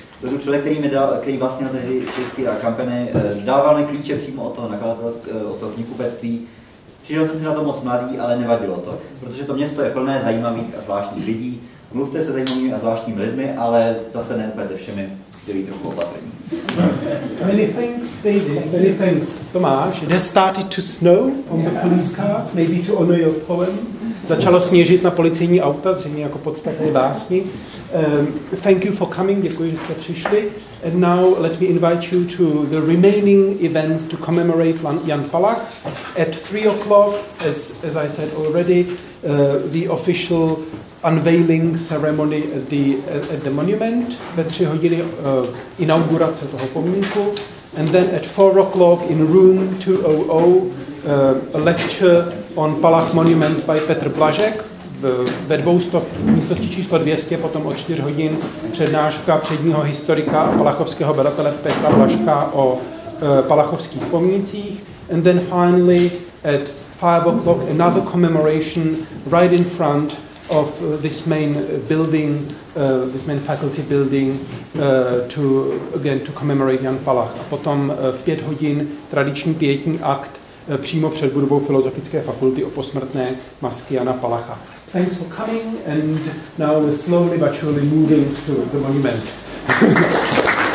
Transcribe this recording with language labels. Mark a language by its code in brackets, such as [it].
[cs] To byl člověk, který vlastnil tehdy Shakespeare a Company, dával mi klíče přímo od toho knihkupectví. Přišel jsem si na to moc mladý, ale nevadilo to, protože to město je plné zajímavých a zvláštních lidí. Mluvte se zajímavými a zvláštními lidmi, ale zase ne úplně se všemi. [en] Many thanks, David. Many thanks, Tomáš. It has started to snow on the police cars, maybe to honor your poem. [cs] začalo sněžit na policejní auta, zřejmě jako podstatné básni. [en] Thank you for coming, [cs] děkuji, že jste přišli. [en] And now let me invite you to the remaining events to commemorate Jan Palach. At 3 o'clock, as I said already, the official unveiling ceremony at the monument, [cs] ve 3 hodiny inaugurace toho pomníku. [en] And then at 4 o'clock in room 200, a lecture on Palach monuments by Petr Blažek. [cs] Ve 200, potom o 4 hodin přednáška předního historika a palachovského badatele Petra Blažka o palachovských pomnících. [en] And then finally at 5 o'clock another commemoration right in front of this main building, this main faculty building, to again to commemorate Jan Palach. [cs] A potom v 5 hodin tradiční pietní akt přímo před budovou Filozofické fakulty o posmrtné masky Jana Palacha. [en] Thanks for coming, and now we're slowly but surely moving to the monument.